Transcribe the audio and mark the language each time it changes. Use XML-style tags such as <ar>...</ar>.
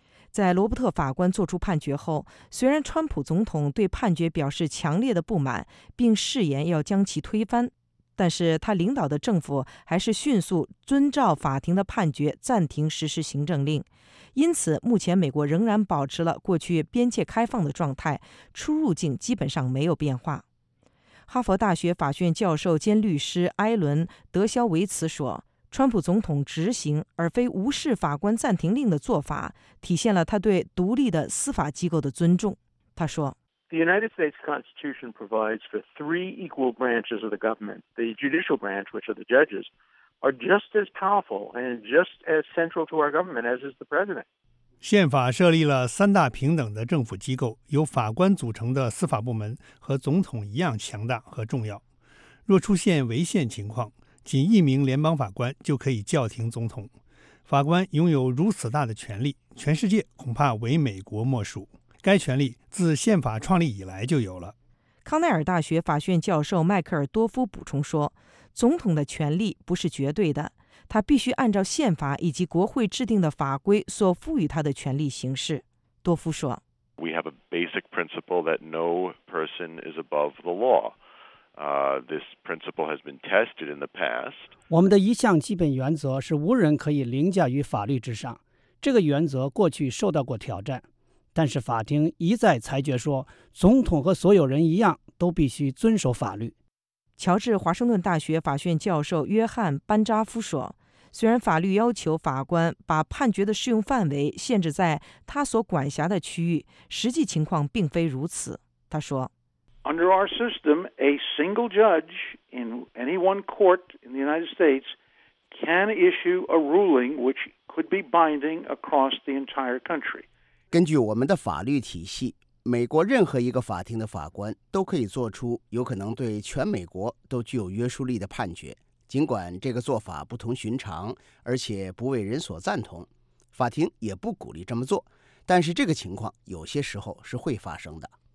<zh>在罗伯特法官作出判决后，虽然川普总统对判决表示强烈的不满，并誓言要将其推翻，但是他领导的政府还是迅速遵照法庭的判决暂停实施行政令，因此目前美国仍然保持了过去边界开放的状态，出入境基本上没有变化。哈佛大学法学院教授兼律师埃伦·德肖维茨说，川普总统执行而非无视法官暂停令的做法，体现了他对独立的司法机构的尊重。他说，</zh> <en>The United States Constitution provides for three equal branches of the government. The judicial branch, which are the judges, are just as powerful and just as central to our government as is the president.</en> <zh>宪法设立了三大平等的政府机构，由法官组成的司法部门和总统一样强大和重要。若出现违宪情况，仅一名联邦法官就可以叫停总统。法官拥有如此大的权力，全世界恐怕唯美国莫属。该权力自宪法创立以来就有了。康奈尔大学法学院教授迈克尔·多夫补充说，总统的权力不是绝对的，他必须按照宪法以及国会制定的法规所赋予他的权力行事。多夫说，</zh> <en>We have a basic principle that no person is above the law. This principle has been tested in the past.</en> <zh>我们的一项基本原则是无人可以凌驾于法律之上，这个原则过去受到过挑战，但是法庭一再裁决说，总统和所有人一样都必须遵守法律。乔治华盛顿大学法学院教授约翰·班扎夫说，虽然法律要求法官把判决的适用范围限制在他所管辖的区域，实际情况并非如此。他说，</zh> <en>Under our system, a single judge in any one court in the United States can issue a ruling which could be binding across the entire country.</en> <zh>根据我们的法律体系，美国任何一个法庭的法官都可以做出有可能对全美国都具有约束力的判决，尽管这个做法不同寻常，而且不为人所赞同，法庭也不鼓励这么做，但是这个情况有些时候是会发生的。</zh>